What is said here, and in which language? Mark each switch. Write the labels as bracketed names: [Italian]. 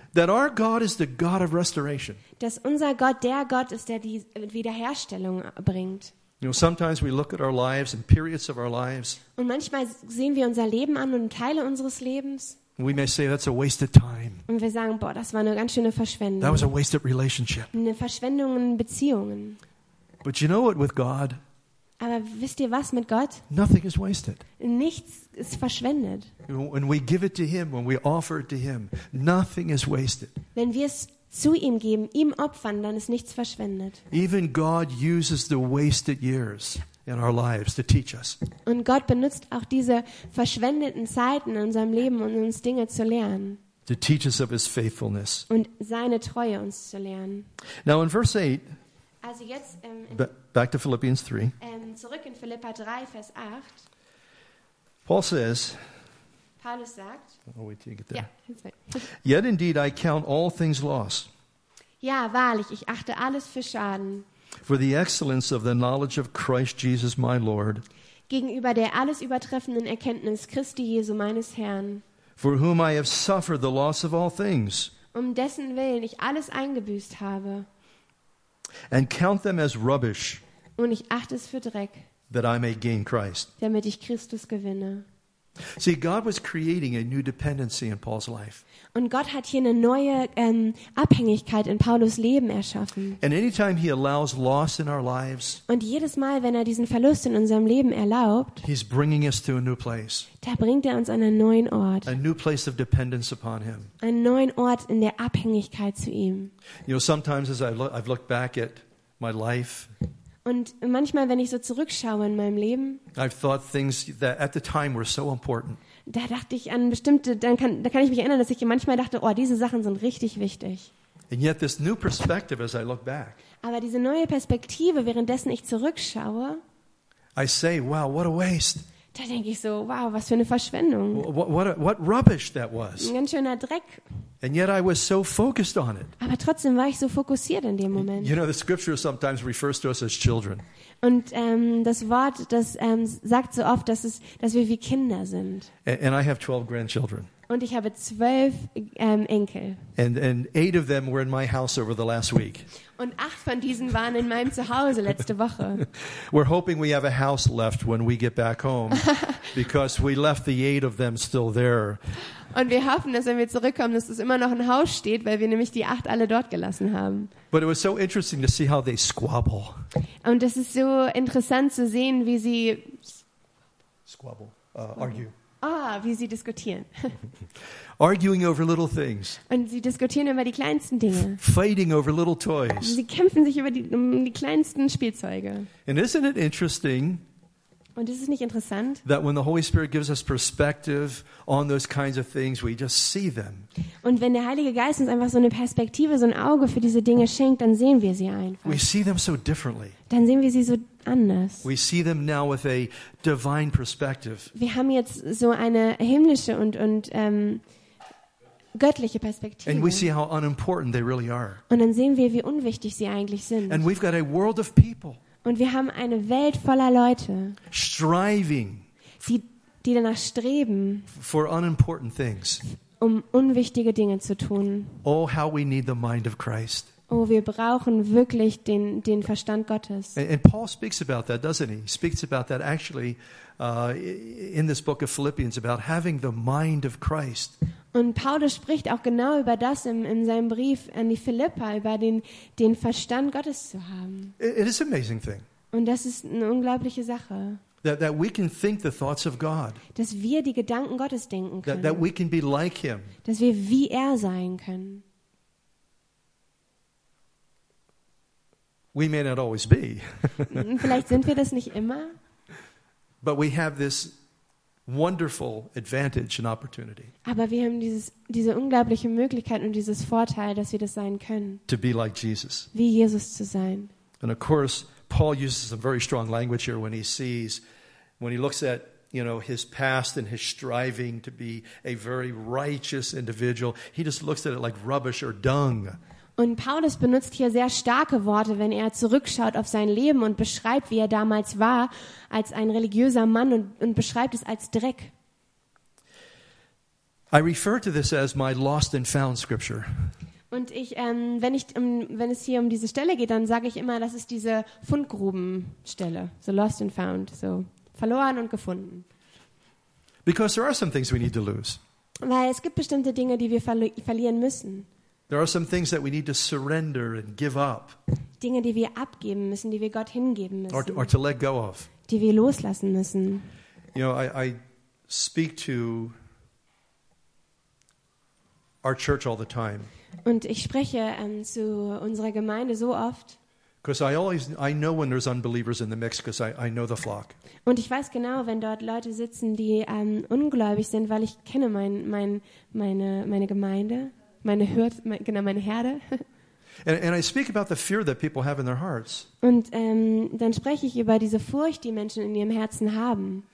[English] That our God is the God of restoration. [German] Dass unser Gott der Gott ist, der die Wiederherstellung bringt. [English] You know, sometimes we look at our lives and periods of our lives. [German] Und manchmal sehen wir unser Leben an und Teile unseres Lebens. [English] We may say that's a wasted time. [German] Und wir sagen, boah, das war eine ganz schöne Verschwendung. [English] That was a wasted relationship. [German] Eine Verschwendung in Beziehungen. [English] But you know what, with God. [German] Aber wisst ihr was mit Gott? [English] Nothing is wasted. [German] Nichts ist verschwendet. [English] When we give it to him, when we offer it to him, nothing is wasted. [German] Wenn wir es zu ihm geben, ihm opfern, dann ist nichts verschwendet. [English] Even God uses the wasted years in our lives to teach us. [German] Und Gott benutzt auch diese verschwendeten Zeiten in unserem Leben, um uns Dinge zu lernen. [English] To teach us of his faithfulness. [German] Und seine Treue uns zu lernen. [English] Now in verse 8. [German] Also jetzt [English] back to Philippians 3. [German] Zurück in Philippa 3, Vers 8. [English] Paul says, [German] Paulus sagt, [English] I'll wait till you get there. Yeah, yet indeed I count all things loss. [German] Ja, wahrlich, ich achte alles für Schaden. [English] For the excellence of the knowledge of Christ Jesus my Lord. [German] Gegenüber der alles übertreffenden Erkenntnis Christi Jesu meines Herrn. [English] For whom I have suffered the loss of all things. [German] Um dessen Willen ich alles eingebüßt habe. [English] And count them as rubbish. [German] Und ich achte es für Dreck, [English] that I may gain Christ. [German] Damit ich Christus gewinne. [English] See, God was creating a new dependency in Paul's life. [German] Und Gott hat hier eine neue Abhängigkeit in Paulus Leben erschaffen. [English] And anytime he allows loss in our lives, [German] und jedes Mal, wenn er diesen Verlust in unserem Leben erlaubt, [English] he's bringing us to a new place. [German] Da bringt er uns an einen neuen Ort. [English] A new place of dependence upon him. [German] Einen neuen Ort in der Abhängigkeit zu ihm. [English] You know, sometimes as I've looked back at my life, [German] und manchmal, wenn ich so zurückschaue in meinem Leben, [English] I've thought things that at the time were so important. [German] Da dachte ich an bestimmte, da kann ich mich erinnern, dass ich manchmal dachte, oh, diese Sachen sind richtig wichtig. [English] And yet this new perspective as I look back. [German] Aber diese neue Perspektive, währenddessen ich zurückschaue, [English] I say, wow, what a waste. [German] Da denke ich so, wow, was für eine Verschwendung. [English] What rubbish that was. [German] Ein ganz schöner Dreck. [English] And yet I was so focused on it. [German] Aber trotzdem war ich so fokussiert in dem Moment. [English] You know, the scripture sometimes refers to us as children. [German] Und das Wort, das sagt so oft, dass wir wie Kinder sind. [English] And I have 12 grandchildren. [German] Und ich habe 12 Enkel. [English] And 8 of them were in my house over the last week. [German] Und 8 von diesen waren in meinem Zuhause letzte Woche. [English] We're hoping we have a house left when we get back home. because we left the 8 of them still there. [German] Und wir hoffen, dass wenn wir zurückkommen, dass es immer noch ein Haus steht, weil wir nämlich die 8 alle dort gelassen haben. [English] But it was so interesting to see how they squabble. [German] Und es ist so interessant zu sehen, wie sie [English] squabble, argue. [German] Ah, wie sie diskutieren. [English] Arguing over little things. [German] Und sie diskutieren über die kleinsten Dinge. [English] Fighting over little toys. [German] Sie kämpfen sich über die kleinsten Spielzeuge. [English] And isn't it interesting? [German] Und ist es nicht interessant? [English] That when the Holy Spirit gives us perspective on those kinds of things, we just see them. [German] Und wenn der Heilige Geist uns einfach so eine Perspektive, so ein Auge für diese Dinge schenkt, dann sehen wir sie einfach. [English] We see them so differently. [German] Dann sehen wir sie so anders. [English] We see them now with a divine perspective. [German] Wir haben jetzt so eine himmlische und göttliche Perspektive. [English] And we see how unimportant they really are. [German] Und dann sehen wir, wie unwichtig sie eigentlich sind. [English] And we've got a world of people. [German] Und wir haben eine Welt voller Leute, [English] striving, [German] die danach streben, [English] for unimportant things, [German] um unwichtige Dinge zu tun. [English] Oh, how we need the mind of Christ. [German] Oh, wir brauchen wirklich den Verstand Gottes. [English] And Paul speaks about that, doesn't he? He speaks about that actually in this book of Philippians, about having the mind of Christ. [German] Und Paulus spricht auch genau über das in seinem Brief an die Philippa, über den Verstand Gottes zu haben. [English] It is an amazing thing. [German] Und das ist eine unglaubliche Sache. [English] That we can think the thoughts of God. [German] Dass wir die Gedanken Gottes denken können. [English] That we can be like him. [German] Dass wir wie er sein können. [English] We may not always be. [German] Vielleicht sind wir das nicht immer. [English] But we have this wonderful advantage and opportunity. [German] Aber wir haben diese unglaubliche Möglichkeit und dieses Vorteil, dass wir das sein können. [English] To be like Jesus. [German] Wie Jesus zu sein. [English] And of course, Paul uses some very strong language here when he looks at, you know, his past and his striving to be a very righteous individual. He just looks at it like rubbish or dung. [German] Und Paulus benutzt hier sehr starke Worte, wenn er zurückschaut auf sein Leben und beschreibt, wie er damals war, als ein religiöser Mann und beschreibt es als Dreck. [English] I refer to this as my lost and found scripture. [German] Und wenn es hier um diese Stelle geht, dann sage ich immer, das ist diese Fundgrubenstelle, [English] so lost and found, [German] so verloren und gefunden. [English] Because there are some things we need to lose. [German] Weil es gibt bestimmte Dinge, die wir verlieren müssen. [English] There are some things that we need to surrender and give up. [German] Dinge, die wir abgeben müssen, die wir Gott hingeben müssen. [English] Or to let go of. [German] Die wir loslassen müssen. [English] You know, I speak to our church all the time. [German] Und ich spreche zu unserer Gemeinde so oft. [English] Because I know when there's unbelievers in the mix, because I know the flock. [German] Und ich weiß genau, wenn dort Leute sitzen, die ungläubig sind, weil ich kenne meine Gemeinde. Meine Herde. [English] And I speak about the fear that people have in their hearts. [German] Und dann spreche ich über diese Furcht, die Menschen in ihrem Herzen haben.